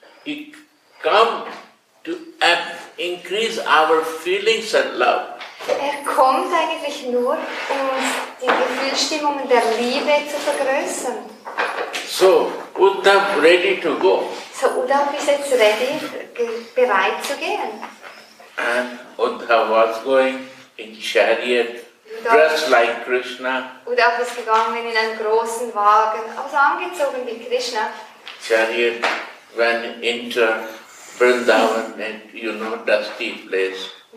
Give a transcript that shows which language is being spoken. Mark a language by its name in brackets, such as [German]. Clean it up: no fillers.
[English] He come to increase our feelings and love. [German] Er kommt eigentlich nur, um die Gefühlsstimmungen der Liebe zu vergrößern. [English] So, Uddhav ready to go. [German] So, Uddhav ist jetzt ready, bereit zu gehen. [English] And Uddhav was going in chariot, dressed like Krishna. [German] Uddhav ist gegangen in einem großen Wagen, also angezogen wie Krishna. [English] Chariot went into Vrindavan, and you know, dusty place.